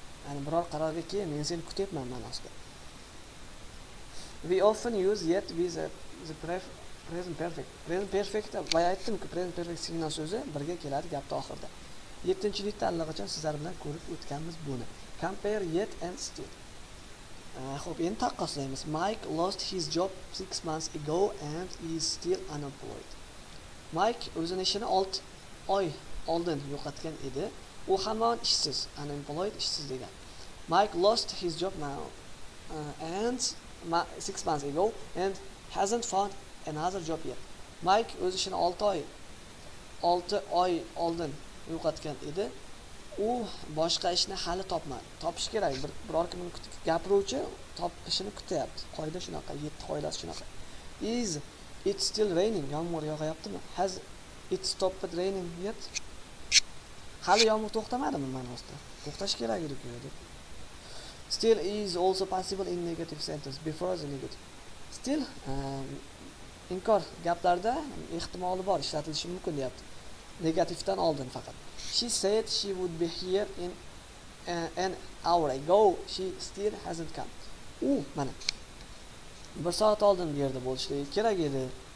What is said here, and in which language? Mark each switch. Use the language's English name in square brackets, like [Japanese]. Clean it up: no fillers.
[Uzbek] Ya'ni biror qarorga kel, men seni kutyapman ma'nosida. [English] We often use yet with present perfect. [Uzbek] Present perfect boya aytdim-ku, present perfect signal so'zi birga keladi gapni oxirida. 7-likda allaqachon sizlar bilan ko'rib o'tganmiz buni. [English] Compare yet and still. [Uzbek] Xo'p, endi taqqoslaymiz. [English] Mike lost his job 6 months ago and is still unemployed. [Uzbek] Mike o'zining ishini 6 oy oldin yo'qotgan edi. U hamon ishsiz, unemployed ishsiz degan. [English] Mike lost his job now and 6 months ago and hasn't found another job yet. [Uzbek] Mike o'z ishini 6 oy oldin yo'qotgan edi. U boshqa ishni hali topmadi. Topish kerak, biror kimni kutib gapiruvchi topishini kutyapti. Qoida shunaqa, 7 qoidasi shunaqa. [English] Is it still raining? [Uzbek] Yomg'ir yog'ayaptimi? [English] Has it stopped raining yet? [Uzbek] Hali yomg'ir to'xtamadimi ma'nosida? To'xtash kerak edi-ku deb. [English] Still is also possible in negative sentence before the negative. [Uzbek] Still inkor gaplarda ehtimoli bor ishlatilishi mumkin deyapti. Negativdan oldin faqat. [English] She said she would be here in an hour ago. She still hasn't come. [Uzbek] U mana bir soat oldin bu yerda bo'lishi kerak edi.